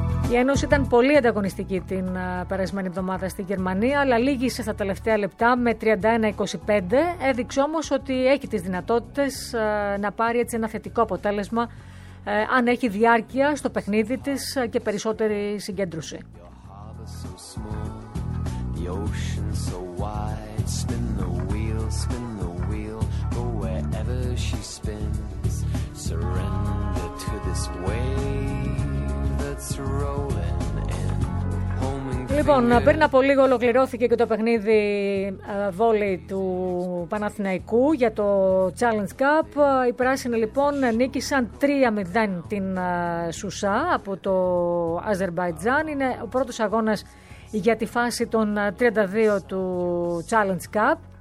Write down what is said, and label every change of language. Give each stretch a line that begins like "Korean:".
Greek: Η Ένωση ήταν πολύ ανταγωνιστική την περασμένη εβδομάδα στη Γερμανία, αλλά λήγησε στα τελευταία λεπτά με 31-25. Έδειξε όμως ότι έχει τις δυνατότητες να πάρει έτσι ένα θετικό αποτέλεσμα αν έχει διάρκεια στο παιχνίδι της και περισσότερη συγκέντρωση.
English: Your heart is so small, the ocean so wide, spin the wheel, go wherever she spins, surrender to this wave that's rolling in, home and
Greek: Λοιπόν, πριν από λίγο ολοκληρώθηκε και το παιχνίδι βόλεϊ του Παναθηναϊκού για το Challenge Cup. Οι πράσινοι λοιπόν νίκησαν 3-0 την Σουσά από το Αζερμπαϊτζάν. Είναι ο πρώτος αγώνας για τη φάση των 32 του Challenge Cup.